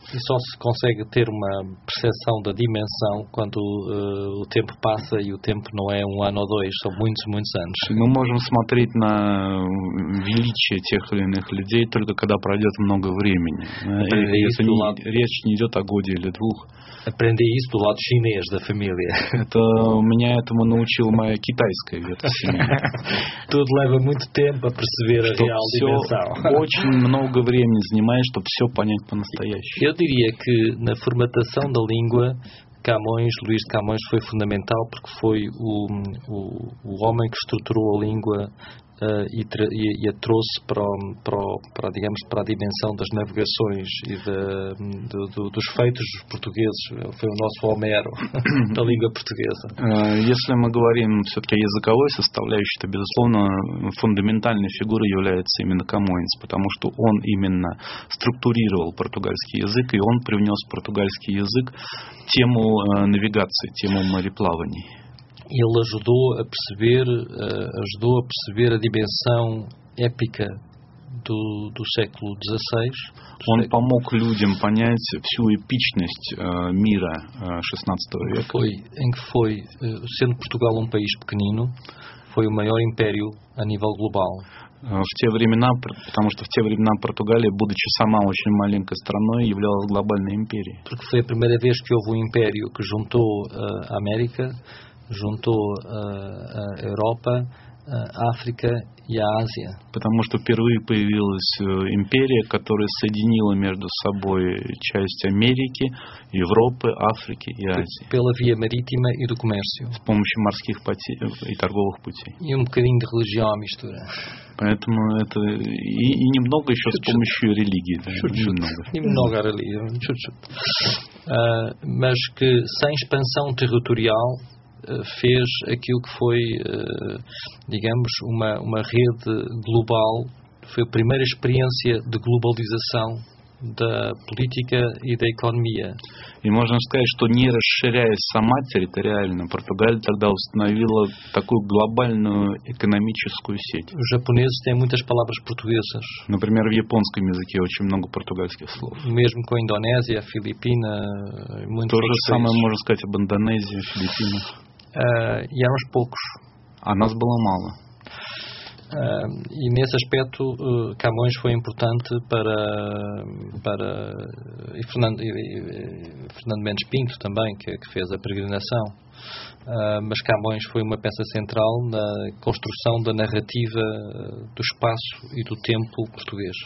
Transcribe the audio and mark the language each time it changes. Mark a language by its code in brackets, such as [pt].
[pt] E só se consegue ter uma percepção da dimensão quando o tempo passa e o tempo não é um ano ou dois, são muitos, muitos anos. [ru] Мы можем смотреть на величие тех или иных людей только когда пройдет много времени. Речь не идет о годе или двух. [pt] Aprendi isso do lado chinês da família. [ru] Então, меня этому научил моя китайская ветвь семьи. [pt] Tudo leva muito tempo a perceber a real dimensão. [ru] Очень много времени занимает, чтобы все понять по-настоящему. [pt] Eu diria que na formatação da língua, Camões, Luís de Camões, foi fundamental porque foi o homem que estruturou a língua e a trouxe para digamos, para a dimensão das navegações e dos feitos dos portugueses. Foi o nosso Homero da língua portuguesa. [ru] Если мы говорим все-таки о языковой составляющей, то, безусловно, фундаментальной фигурой является именно Камоэнс, потому что он именно структурировал португальский язык, и он привнес в португальский язык тему навигации, тему мореплаваний. [pt] Ele ajudou a perceber a dimensão épica do século XVI. [ru] Он помог людям понять всю эпичность мира XVI века. [pt] Em que foi, sendo Portugal país pequenino, foi o maior império a nível global. [ru] В те времена, потому что в те времена Португалия, будучи сама очень маленькой страной, являлась глобальной империей. [pt] Porque foi a primeira vez que houve um império que juntou a América, juntou a Europa, a África e a Ásia. [ru] Потому что впервые появилась империя, которая соединила между собой часть Америки, Европы, Африки и Азии. [pt] Pela via marítima e do comércio. [ru] С помощью морских путей и торговых путей. [pt] E um bocadinho de religião à mistura. [ru] Поэтому это и немного еще с помощью религии. Немного религии, [pt] Mas que sem expansão territorial fez aquilo que foi, digamos, uma rede global, foi a primeira experiência de globalização da política e da economia. [ru] E можно сказать, что не расширяясь сама территориально, Португалия тогда установила такую глобальную экономическую сеть. [pt] Os japoneses têm muitas palavras portuguesas. [ru] Например, в японском языке очень много португальских слов. [pt] Mesmo com a Indonésia, Filipina, muitos [ru] outros. То же самое можно сказать об Индонезии, Филиппинах. [pt] E eram poucos. A nós [ru] было мало. [pt] E nesse aspecto, Camões foi importante para e Fernando Mendes Pinto também, que fez a peregrinação. Mas Camões foi uma peça central na construção da narrativa do espaço e do tempo português.